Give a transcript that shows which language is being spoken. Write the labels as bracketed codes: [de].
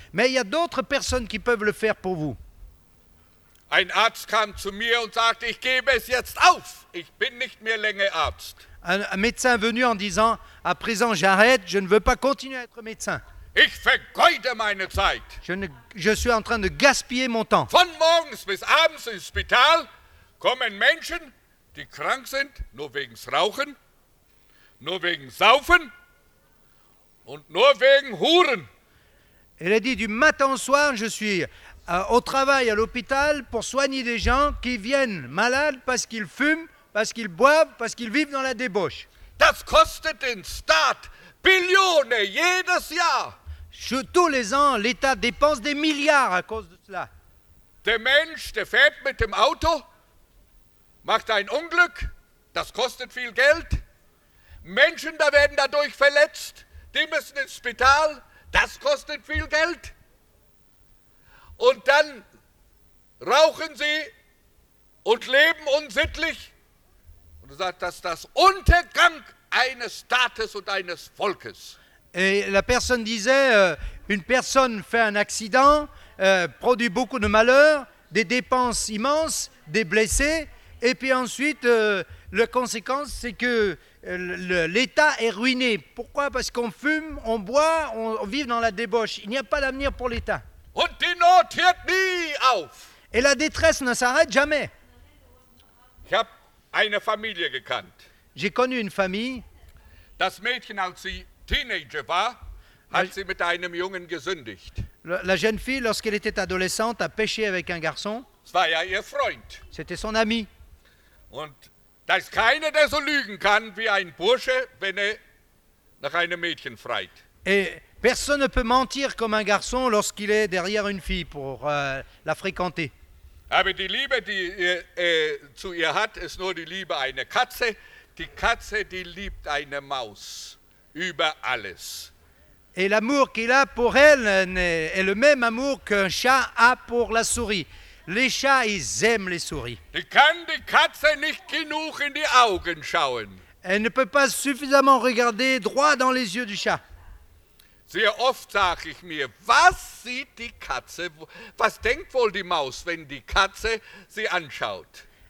[fr] Mais il y a d'autres personnes qui peuvent le faire pour vous. [de] Ein Arzt kam zu mir und sagte, ich gebe es jetzt auf, ich bin nicht mehr länger Arzt. [fr] Un médecin est venu en disant, à présent j'arrête, je ne veux pas continuer à être médecin. [de] Ich vergeude meine Zeit. [fr] Je suis en train de gaspiller mon temps. [de] Von morgens bis abends ins Spital kommen Menschen, die krank sind, nur wegen Rauchen, nur wegen Saufen und nur wegen Huren. [fr] Elle a dit, du matin au soir, je suis au travail, à l'hôpital, pour soigner des gens qui viennent malades parce qu'ils fument, parce qu'ils boivent, parce qu'ils vivent dans la débauche. [de] Das kostet den Staat Billionen jedes Jahr. [fr] Tous les ans, l'État dépense des milliards à cause de cela. [de] Der Mensch, der fährt mit dem Auto, macht ein Unglück, das kostet viel Geld. Menschen, da werden dadurch verletzt, die müssen ins Spital, das kostet viel Geld. Und dann rauchen sie und leben unsittlich. Und er sagt, das ist das Untergang eines Staates und eines Volkes. [fr] Et la personne disait, une personne fait un accident, produit beaucoup de malheurs, des dépenses immenses, des blessés, et puis ensuite, la conséquence, c'est que l'État est ruiné. Pourquoi ? Parce qu'on fume, on boit, on vit dans la débauche. Il n'y a pas d'avenir pour l'État. [de] Und die Not hört nie auf. [fr] Et la détresse ne s'arrête jamais. [de] Ich hab eine Familie gekannt. [fr] J'ai connu une famille. [de] Das Mädchen, als sie Teenager war, hat sie mit einem Jungen gesündigt. [fr] La jeune fille, lorsqu'elle était adolescente, a péché avec un garçon. [de] Es war ja ihr Freund. [fr] C'était son ami. [de] Und da ist keiner, der so lügen kann wie ein Bursche, wenn er nach einem Mädchen freit. [fr] Et personne ne peut mentir comme un garçon lorsqu'il est derrière une fille pour la fréquenter. [de] Aber die Liebe, die zu ihr hat, ist nur die Liebe einer Katze. Die Katze, die liebt eine Maus. Über alles. [fr] Et l'amour qu'il a pour elle est le même amour qu'un chat a pour la souris. Les chats, ils aiment les souris. [de] Die kann die Katze nicht genug in die Augen schauen. [fr] Elle ne peut pas suffisamment regarder droit dans les yeux du chat. [de] Sehr oft sag ich mir, was sieht die Katze, was denkt wohl die Maus, wenn die Katze sie anschaut?